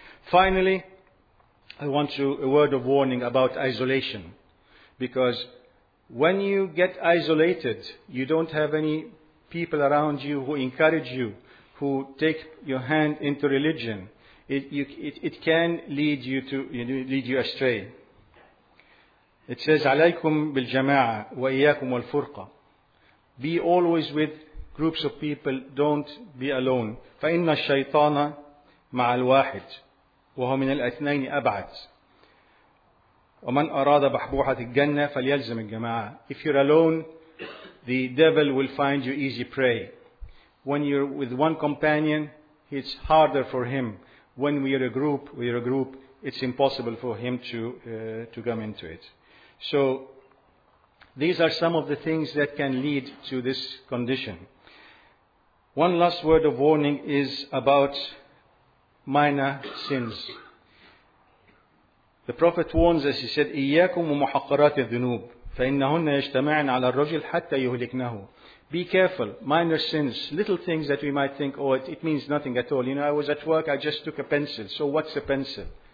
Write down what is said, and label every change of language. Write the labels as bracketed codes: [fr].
[en] Finally, I want to a word of warning about isolation. Because when you get isolated, you don't have any people around you who encourage you, who take your hand into religion. It can lead you to, you know, lead you astray. It says, [ar] عليكم بالجماعة وإياكم والفرقة. [en] Be always with groups of people. Don't be alone. [ar] فإن الشيطان مع الواحد وهو من الاثنين أبعد. ومن أراد بحبوحة الجنة فليلزم الجماعة. [en] If you're alone, the devil will find you easy prey. When you're with one companion, it's harder for him. When we are a group, it's impossible for him to come into it. So these are some of the things that can lead to this condition. One last word of warning is about minor sins. The Prophet warns us, he said, [ar] إِيَّاكُمْ وَمُحَقَّرَاتِ الذُّنُوبِ فَإِنَّهُنَّ يَجْتَمَعْنَ عَلَى الرَّجِلِ حَتَّى يُهْلِكْنَهُ. [en] Be careful, minor sins, little things that we might think, oh, it means nothing at all. You know, I was at work, I just took a pencil. So what's a pencil?